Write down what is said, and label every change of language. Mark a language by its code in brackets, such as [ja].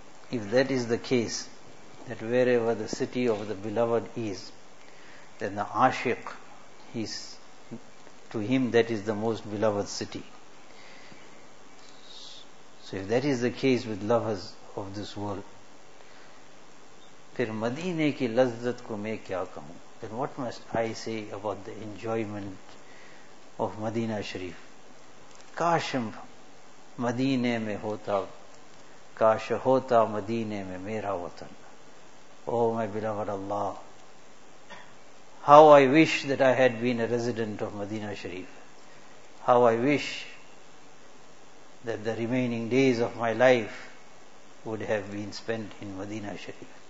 [en] If that is the case, that wherever the city of the beloved is, then the ashiq, he's, to him that is the most beloved city. So if that is the case with lovers of this world, [ur] fir madine ki lazzat ko main kya kahun, [en] then what must I say about the enjoyment of Madina Sharif? [ur] Kashim madine mein hota, کاش ہوتا مدینے میں میرا وطن. [en] Oh my beloved Allah, how I wish that I had been a resident of Medina Sharif. How I wish that the remaining days of my life would have been spent in Medina Sharif.